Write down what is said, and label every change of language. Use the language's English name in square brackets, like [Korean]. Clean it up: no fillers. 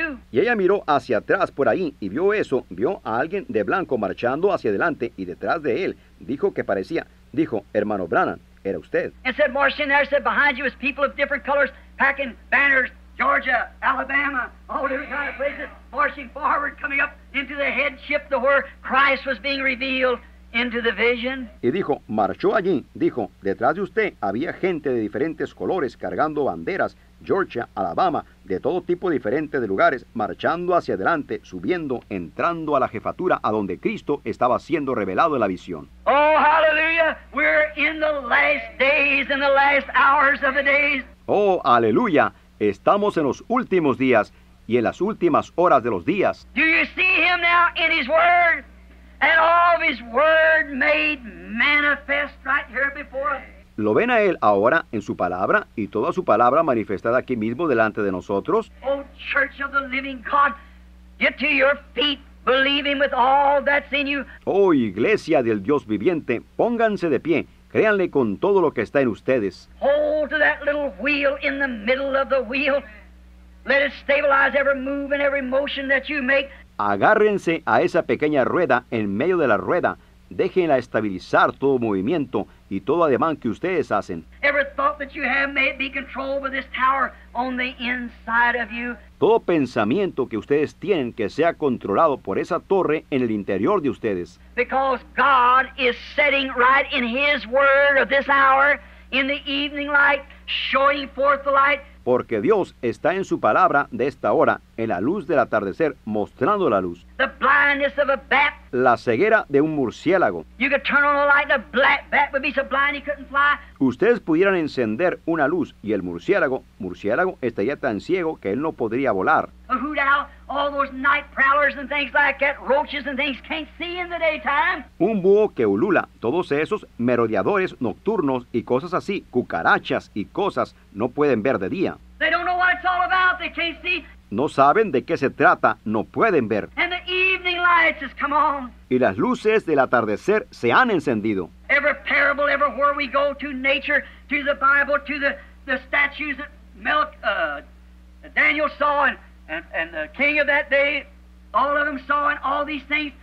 [Spanish] Y ella miró hacia atrás por ahí y vio eso, vio a alguien de blanco marchando hacia adelante y detrás de él dijo que parecía... Dijo, hermano Branham, era usted. [English] And said, marching there, said, behind you is people of different colors packing banners, Georgia, Alabama, all different kind of places, marching forward, coming up into the headship to where Christ was being revealed into the vision. [Spanish] Y dijo, marchó allí, dijo, detrás de usted había gente de diferentes colores cargando banderas, Georgia, Alabama, de todo tipo diferente de lugares, marchando hacia adelante, subiendo, entrando a la jefatura a donde Cristo estaba siendo revelado en la visión. [English] Oh, hallelujah, we're in the last days, in the last hours of the days. [Spanish] Oh, aleluya, estamos en los últimos días y en las últimas horas de los días. [English] Do you see him now in his word? And all of his word made manifest right here before us. [Spanish] ¿Lo ven a él ahora en su palabra y toda su palabra manifestada aquí mismo delante de nosotros? [English] Oh, Church of the Living God, get to your feet, believing with all that's in you. [Spanish] Oh, Iglesia del Dios viviente, pónganse de pie, créanle con todo lo que está en ustedes. [English] Hold to that little wheel in the middle of the wheel. Let it stabilize every move and every motion that you make. [Spanish] Agárrense a esa pequeña rueda en medio de la rueda. Déjenla estabilizar todo movimiento y todo ademán que ustedes hacen. [English] Every thought that you have may be controlled by this tower on the inside of you. [Spanish] Todo pensamiento que ustedes tienen que sea controlado por esa torre en el interior de ustedes. [English] Because God is setting right in His word of this hour in the evening light, showing forth the light. [Spanish] Porque Dios está en su palabra de esta hora, en la luz del atardecer, mostrando la luz. [English] The blindness of a bat. [Spanish] La ceguera de un murciélago. [English] You could turn on a light, the bat would be so blind he couldn't fly. [Spanish] Ustedes pudieran encender una luz y el murciélago estaría tan ciego que él no podría volar. [English] A hoot owl, all those night prowlers and things like that, roaches and things can't see in the daytime. [Spanish] Un búho que ulula, todos esos merodeadores nocturnos y cosas así, cucarachas y cosas, no pueden ver de día. [English] They don't know what it's all about, they can't see. [Spanish] No saben de qué se trata, no pueden ver. [English] And the evening lights has come on. [Spanish] Y las luces del atardecer se han encendido. [English] Every parable, everywhere we go, to nature, to the Bible, to the statues that Daniel saw and the king of that day, all of them saw and all these things.